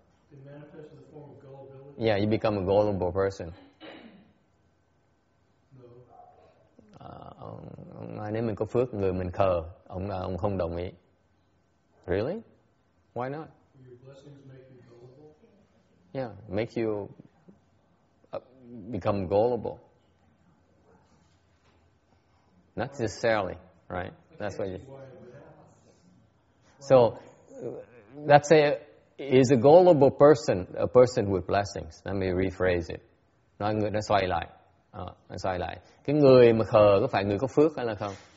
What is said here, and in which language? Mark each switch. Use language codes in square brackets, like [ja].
[en] it manifests in the form of gullibility. Yeah, you become a gullible person. No. [vi] Nếu mình có phước, người mình khờ, ông không đồng ý. [en] Really? Why not? Your blessings make you gullible? Yeah, make you become gullible. Not necessarily, right? That's what you. So, let's say, is a gullible person a person with blessings? Let me rephrase it. [vi] Nói người nó xoay lại, cái người mà khờ có phải người có phước hay là không?